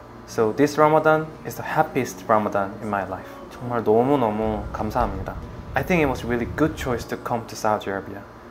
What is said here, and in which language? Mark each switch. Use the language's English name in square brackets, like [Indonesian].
[English] So this Ramadan is the happiest Ramadan in my life. [Korean] 정말 너무너무 감사합니다. [English] I think it was a really good choice to come to Saudi Arabia.